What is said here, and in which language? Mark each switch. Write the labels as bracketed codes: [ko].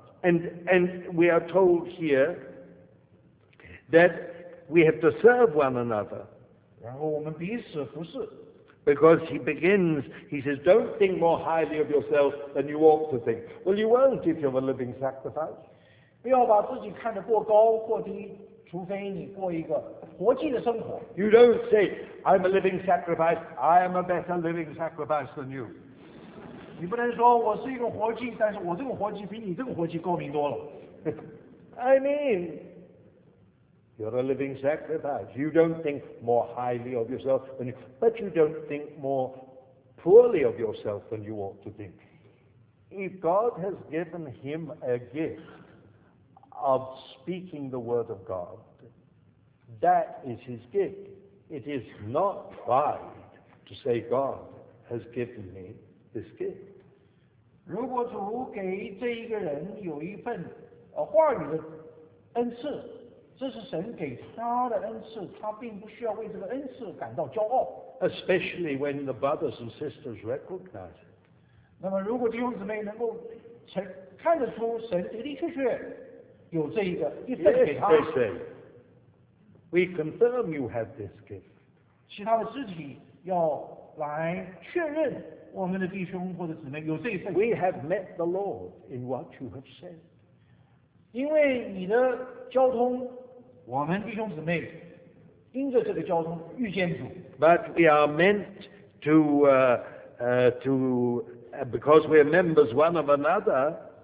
[en] and we are told here that we have to serve one another. [zh] 然后我们彼此服侍 [en] Because he begins, he says, don't think more highly of yourself than you ought to think. Well, you won't if you're a living sacrifice. [zh] 不要把自己看得过高过低除非你过一个活祭的生活。 [en] You don't say, I'm a living sacrifice, I am a better living sacrifice than you. [zh] 你不能说我是一个活祭，但是我这个活祭比你这个活祭高明多了。 [en] I mean, you're a living sacrifice. You don't think more highly of yourself than you, but you don't think more poorly of yourself than you ought to think. If God has given him a gift,of speaking the word of God, that is his gift. It is not pride to say God has given me this gift. [zh] 如果主给这一个人有一份话语的恩赐，这是神给他的恩赐，他并不需要为这个恩赐感到骄傲。 [en] Especially when the brothers and sisters recognize it. [zh] 那么如果弟兄姊妹能够看得出神的的确确有这一个一份给他。 [en] Yes, they say. We confirm you have this gift. [zh] 其他的肢体要来确认我们的弟兄或者姊妹有这一份。 [en] We have met the Lord in what you have said. [zh] 因为你的交通，我们弟兄姊妹因着这个交通遇见主。 [en] But we are meant to because we are members one of another.